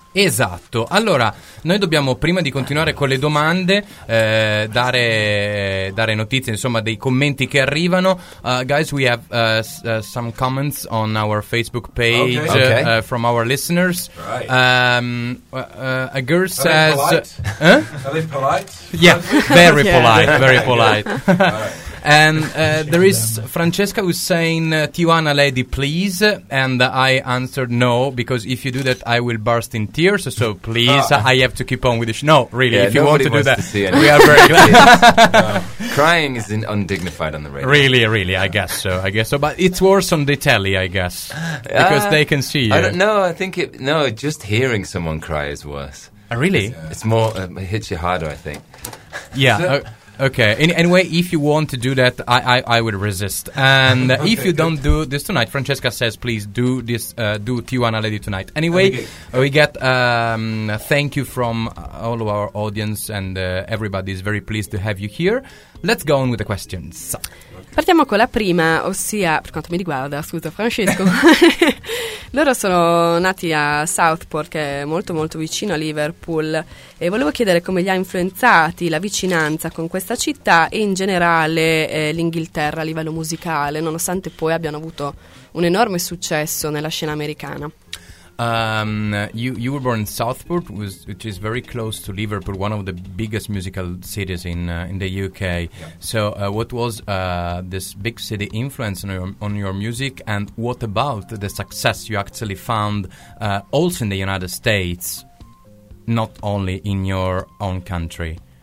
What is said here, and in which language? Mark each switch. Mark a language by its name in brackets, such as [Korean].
[Italian] Esatto, allora noi dobbiamo, prima di continuare con le domande, dare notizie, insomma, dei commenti che arrivano. [English] Guys, we have some comments on our Facebook page. Okay. From our listeners. Right. A girl are says they polite? Huh? Are they polite? Yeah. Very polite, very polite. And there is Francesca who's saying, Tijuana lady, please. And I answered no, because if you do that, I will burst in tears. So please, I have to keep on with the show. No, really, yeah, if you want to do that, to we are very glad. Crying is undignified on the radio. Really, really, yeah. I guess so. But it's worse on the telly, I guess, because they can see you. I think just hearing someone cry is worse. Really? It's more, it hits you harder, I think. Yeah. Okay. Anyway, if you want to do that, I would resist. And okay, if you don't do this tonight, Francesca says, please do this, do Tijuana Lady tonight. Anyway, we get a thank you from all of our audience, and everybody is very pleased to have you here. Let's go on with the questions. [Italian] Partiamo con la prima, ossia, per quanto mi riguarda, scusa Francesco, loro sono nati a Southport, che è molto molto vicino a Liverpool, e volevo chiedere come li ha influenzati la vicinanza con questa città e in generale l'Inghilterra a livello musicale, nonostante poi abbiano avuto un enorme successo nella scena americana. [English] You were born in Southport, which is very close to Liverpool, one of the biggest musical cities in the UK. Yeah. So what was this big city influence on your music, and what about the success you actually found also in the United States, not only in your own country?